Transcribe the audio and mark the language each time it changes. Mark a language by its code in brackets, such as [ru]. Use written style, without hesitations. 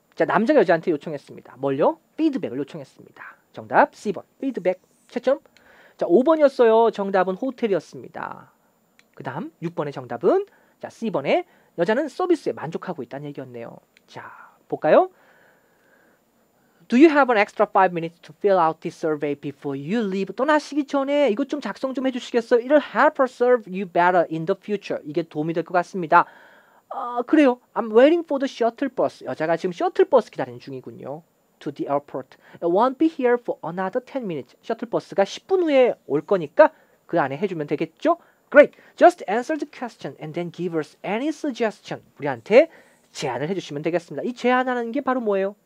[ko] 자, 남자가 여자한테 요청했습니다. 뭘요? 피드백을 요청했습니다. 정답 C번. 피드백 채점. 자, 5번이었어요. 정답은 호텔이었습니다. 그 다음 6번의 정답은 자, C번에 여자는 서비스에 만족하고 있다는 얘기였네요. 자, 볼까요? [en] Do you have an extra 5 minutes to fill out this survey before you leave? [ko] 떠나시기 전에 이것 좀 작성 좀 해주시겠어요? [en] It'll help us serve you better in the future. [ko] 이게 도움이 될 것 같습니다. 그래요. [en] I'm waiting for the shuttle bus. [ko] 여자가 지금 셔틀버스 기다리는 중이군요. [en] To the airport. It won't be here for another 10 minutes. [ko] 셔틀버스가 10분 후에 올 거니까 그 안에 해주면 되겠죠? [en] Great. Just answer the question and then give us any suggestion. [ko] 우리한테 제안을 해주시면 되겠습니다. 이 제안하는 게 바로 뭐예요?